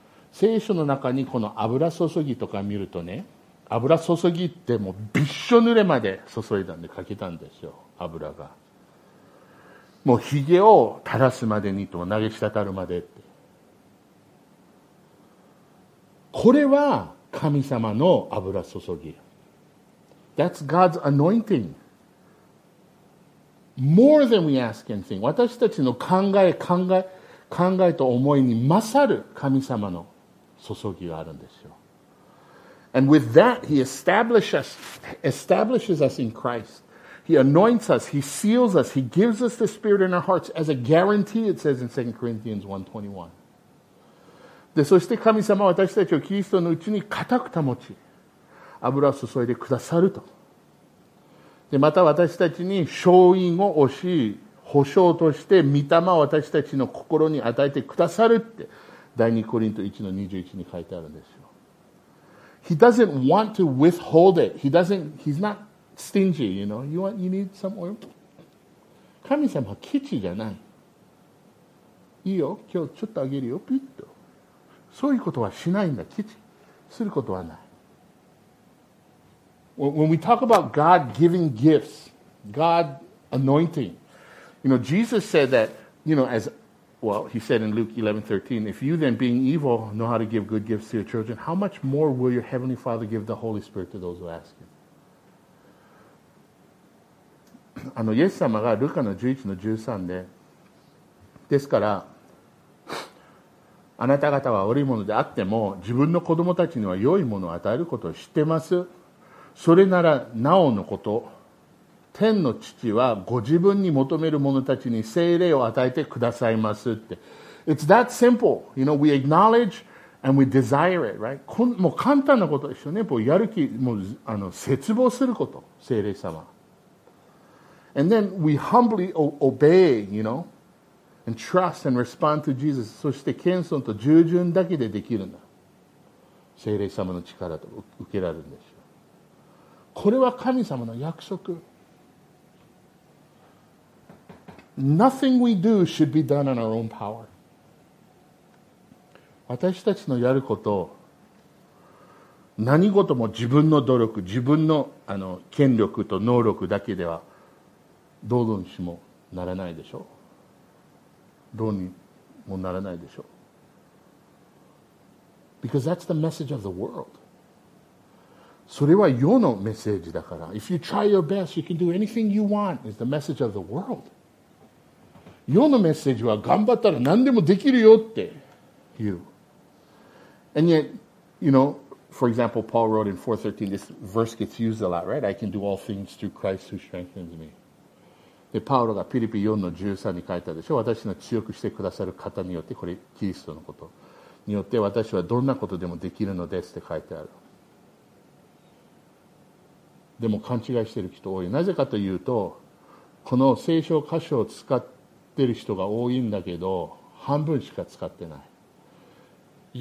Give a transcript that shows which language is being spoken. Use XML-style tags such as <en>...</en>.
<ja>聖書の中にこの油注ぎとか見るとね、油注ぎってもうびっしょ濡れまで注いだんでかけたんですよ、油が。もうひげを垂らすまでにと投げ滴るまでって。これは神様の油注ぎ。</ja> <en>That's God's anointing. More than we ask and think.</en> <ja>私たちの考えと思いに勝る神様の注ぎがあるんですよ。</ja> <en>And with that, he establishes us in Christ. He anoints us. He seals us. He gives us the Spirit in our hearts as a guarantee, it says in 2 Corinthians 1:21.</en> <ja>で、そして神様は私たちをキリストのうちに固く保ち、油を注いでくださると。で、また私たちに勝因を押し、保証として御霊を私たちの心に与えてくださるって、第2コリント 1:21 に書いてあるんですよ。</ja> <en>He doesn't want to withhold it. He's not stingy, you know. You need some oil?</en> <ja>神様はケチじゃない。いいよ、今日ちょっとあげるよ、ピッと。そういうことはしないんだ、ケチ。することはない。</ja> <en>When we talk about God giving gifts, God anointing, you know, Jesus said that, you know, he said in Luke 11:13, if you then being evil know how to give good gifts to your children, how much more will your heavenly Father give the Holy Spirit to those who ask him?</en> <ja>イエス様がルカの 11:13 で、ですから、あなた方は悪いものであっても、自分の子供たちには良いものを与えることを知ってます。それならなおのこと、天の父はご自分に求める者たちに聖霊を与えてくださいますって。</ja> <en>It's that simple. You know, we acknowledge and we desire it, right?</en> <ja>もう簡単なことですよね。もうやる気、もう切望すること、聖霊様。 And then we humbly obey, you know, and trust and respond to Jesus. そして謙遜と従順だけでできるんだ。聖霊様の力と受けられるんですよ。これは神様の約束。</ja> <en>Nothing we do should be done on our own power.</en> <ja>私たちのやること、何事も自分の努力、自分の権力と能力だけではどうにもならないでしょう。どうにもならないでしょう。</ja> <en>Because that's the message of the world.</en> <ja>それは世のメッセージだから。</ja> <en>If you try your best, you can do anything you want is the message of the world.</en> <ja>世のメッセージは頑張ったら何でもできるよって言う。</ja> <en>And yet, you know, for example, Paul wrote in 4:13, this verse gets used a lot, right? I can do all things through Christ who strengthens me.</en> <ja>で、パウロがピリピ 4:13 に書いたでしょ。私の強くしてくださる方によって、これキリストのことによって私はどんなことでもできるのですって書いてある。でも勘違いしてる人多い。なぜかというと、この聖書箇所を使って言ってる人が多いんだけど、半分しか使ってない。</ja>